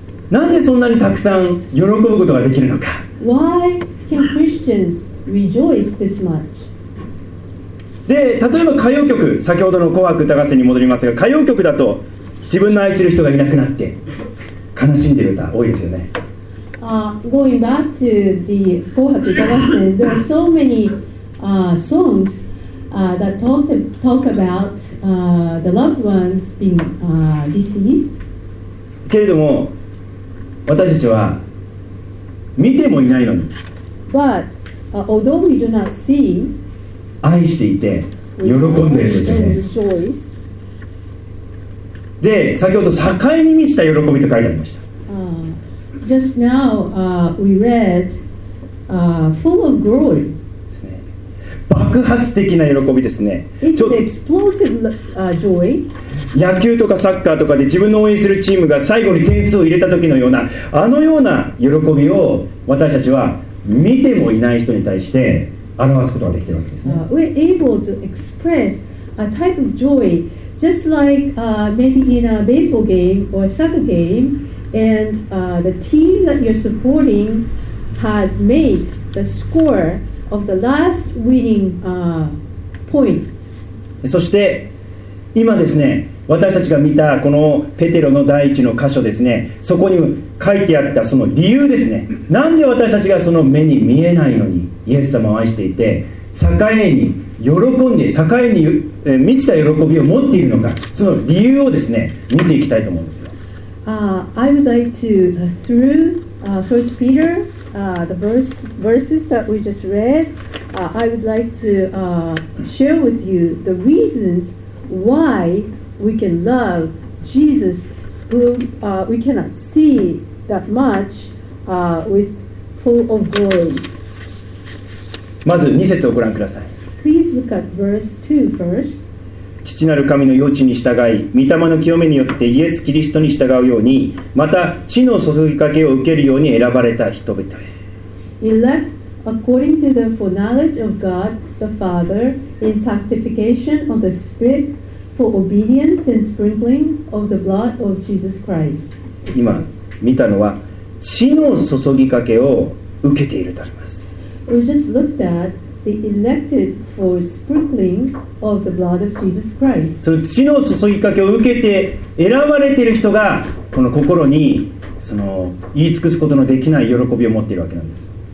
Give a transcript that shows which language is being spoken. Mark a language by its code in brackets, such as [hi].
[ja] なんでそんなにたくさん喜ぶことができるのか。 [en] Why can Christians rejoice this much? [ja] で、例えば歌謡曲、先ほどの紅白歌合戦に戻りますが、歌謡曲だと自分の愛する人がいなくなって悲しんでる歌多いですよね。 [en] going back to the Kohaku Galaxy, there are so many songs that talk about the loved ones being deceased. [ja] けれども、私たちは見てもいないのに。 [en] But although we do not see, [ja] 愛していて喜んでいるんですよね。で、先ほど栄えに満ちた喜びと書いてありました。 [en] Just now, we read, full of glory. [ja] ですね。爆発的な喜びですね。 [en] It's an explosive, joy. [ja] 野球とかサッカーとかで自分の応援するチームが最後に点数を入れた時のような、あのような喜びを私たちは見てもいない人に対して表すことができているわけですね。 [en] We're able to express a type of joy just like maybe in a baseball game or a soccer game. And the team that you're supporting has made the score of the last winning point. [ja] そして今ですね、私たちが見たこのペテロの第一の箇所ですね、そこに書いてあったその理由ですね。なんで私たちがその目に見えないのにイエス様を愛していて、栄えに喜んで栄えに満ちた喜びを持っているのか、その理由をですね見ていきたいと思うんですよ。 [en] I would like to through 1 Peter the verses that we just read I would like to share with you the reasons why we can love Jesus whom we cannot see that much with full of glory. [ja] まず2節をご覧ください。 [en] Please look at verse 2 first. [ja] 父なる神の用地に従い、御霊の清めによってイエス・キリストに従うように、また地の注ぎかけを受けるように選ばれた人々へ。 [en] Elect according to the foreknowledge of God the Father in sanctification of the Spirit for obedience and sprinkling of the blood of Jesus Christ. [ja] 今見たのは地の注ぎかけを受けているとあります。 [en] We just looked at. The elected for sprinkling of the blood of Jesus Christ. [ja] その血の注ぎかけを受けて選ばれている人がこの心にその言い尽くすことのできない喜びを持っているわけなんです。